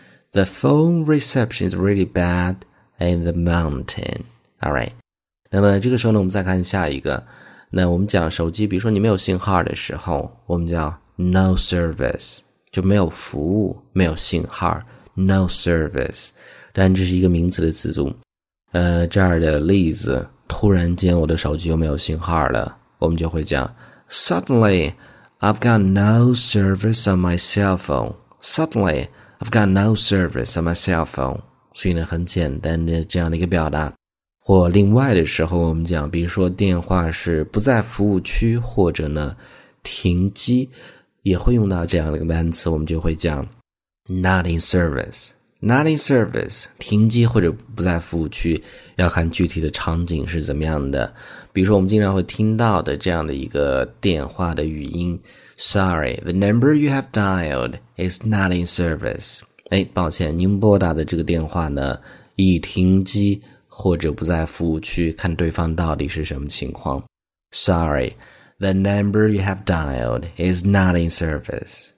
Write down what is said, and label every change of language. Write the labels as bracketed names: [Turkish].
[English] The phone reception is really bad in the mountain. All right。 [Chinese] 那么这个时候呢，我们再看下一个。那我们讲手机，比如说你没有信号的时候，我们叫 [English] no service， [Chinese] 就没有服务，没有信号，no service。但这是一个名词的词组。这儿的例子，突然间我的手机又没有信号了，我们就会讲 [English] suddenly I've got no service on my cell phone。 suddenly I've got no service on my cell phone。 [Chinese] 所以呢，很简单的这样的一个表达。或另外的时候，我们讲，比如说电话是不在服务区，或者呢停机，也会用到这样的一个单词，我们就会讲 [English] not in service。 not in service [Chinese] 停机或者不在服务区，要看具体的场景是怎么样的。比如说，我们经常会听到的这样的一个电话的语音 ： [English] Sorry, the number you have dialed is not in service。 [Chinese] 哎，抱歉，您拨打的这个电话呢已停机。或者不在服务区，看对方到底是什么情况。 [English] Sorry, the number you have dialed is not in service。